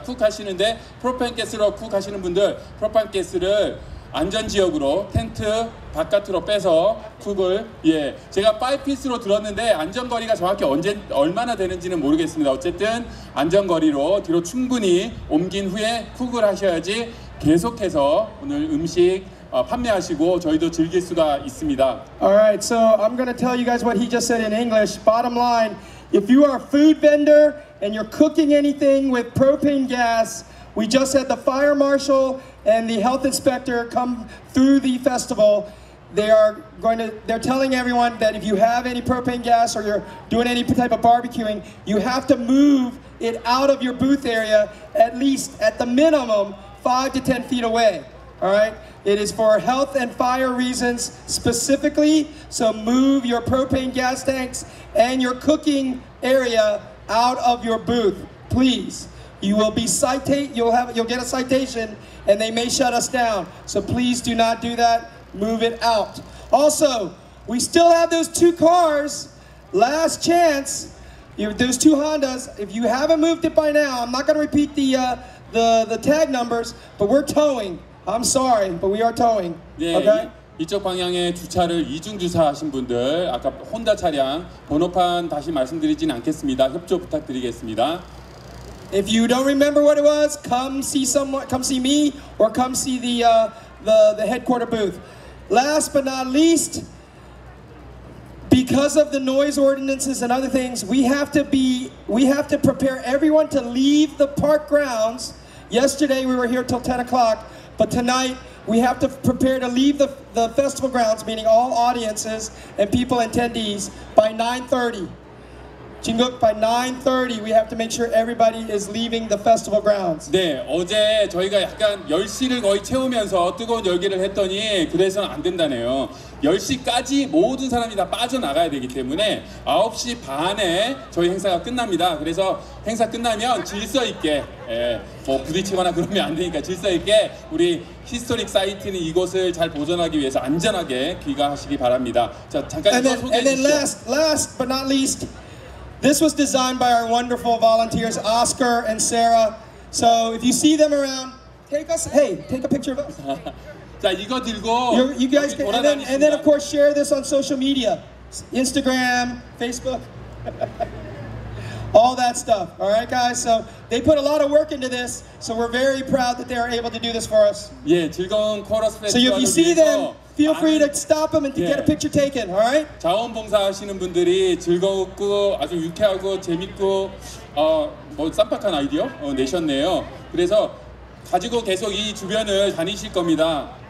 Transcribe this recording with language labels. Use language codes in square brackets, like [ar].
[ko] 쿡 하시는데 프로펜 가스로 쿡 하시는 분들 프로펜 가스를 안전지역으로 텐트 바깥으로 빼서 쿡을 예 제가 5피스로 들었는데 안전거리가 정확히 언제 얼마나 되는지는 모르겠습니다. 어쨌든 안전거리로 뒤로 충분히 옮긴 후에 쿡을 하셔야지 계속해서 오늘 음식 판매하시고 저희도 즐길 수가 있습니다. [en] Alright, so I'm gonna tell you guys what he just said in English. Bottom line, if you are a food vendor and you're cooking anything with propane gas, we just had the fire marshal and the health inspector come through the festival. They're telling everyone that if you have any propane gas or you're doing any type of barbecuing, you have to move it out of your booth area at least at the minimum 5 to 10 feet away. All right. It is for health and fire reasons specifically. So move your propane gas tanks and your cooking area out of your booth, please. You will be citate. You'll get a citation, and they may shut us down. So please do not do that. Move it out. Also, we still have those two cars. Last chance. Those two Hondas. If you haven't moved it by now, I'm not going to repeat the tag numbers. But we're towing. I'm sorry, but we are towing. Yeah. Okay. [ko] 이쪽 방향에 주차를 이중 주차하신 분들, 아까 혼다 차량 번호판 다시 말씀드리진 않겠습니다. 협조 부탁드리겠습니다. [en] If you don't remember what it was, come see me or come see the headquarter booth. Last but not least, because of the noise ordinances and other things, we have to prepare everyone to leave the park grounds. Yesterday we were here till 10 o'clock, but tonight we have to prepare to leave the festival grounds, meaning all audiences and people attendees, by 9:30. 진국, by 9:30, we have to make sure everybody is leaving the festival grounds. [ko] 네, 어제 저희가 약간 10시를 거의 채우면서 뜨거운 열기를 했더니 그래서는 안 된다네요. 10시까지 모든 사람이 다 빠져나가야 되기 때문에 9시 반에 저희 행사가 끝납니다. 그래서 행사 끝나면 질서 있게 예, 뭐 부딪히거나 그러면 안 되니까 질서 있게 우리 히스토릭 사이트는 이곳을 잘 보존하기 위해서 안전하게 귀가하시기 바랍니다. 자, 잠깐 소개해 주시죠. [en] And then last but not least, this was designed by our wonderful volunteers, Oscar and Sarah. So if you see them around, take a picture of us. [ko] 자, 이거 들고 [en] you guys can, and then of course share this on social media, Instagram, Facebook, all that stuff. All right, guys. So they put a lot of work into this. So we're very proud that they are able to do this for us. [ko] 예, 즐거운 코러스 페스티벌. [en] So if you see them. Feel free to stop them and to get a picture taken, all right? [ko] 자원봉사하시는 분들이 즐겁고 아주 유쾌하고 재밌고 뭐 쌈박한 아이디어 내셨네요. 그래서 가지고 계속 이 주변을 다니실 겁니다.